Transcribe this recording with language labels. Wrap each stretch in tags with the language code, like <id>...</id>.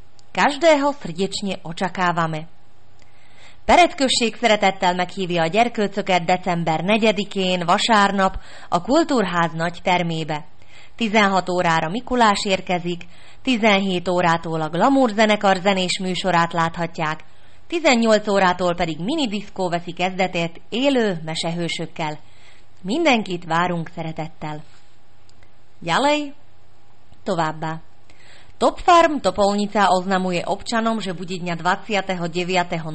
<sk>Každého srdečne očakávame.</sk> <hu>Peretkösség szeretettel meghívja a gyerkőcöket december 4-én, vasárnap, a Kultúrház nagy termébe. 16 órára Mikulás érkezik, 17 órától a Glamour zenekar zenés műsorát láthatják, 18 órától pedig minidiszkó veszi kezdetét élő mesehősökkel. Mindenkit várunk szeretettel.</hu> <sk>Ďalej,</sk> <hu>továbbá.</hu> <sk>Topfarm Topolnica oznamuje občanom, že bude dňa 29.</sk>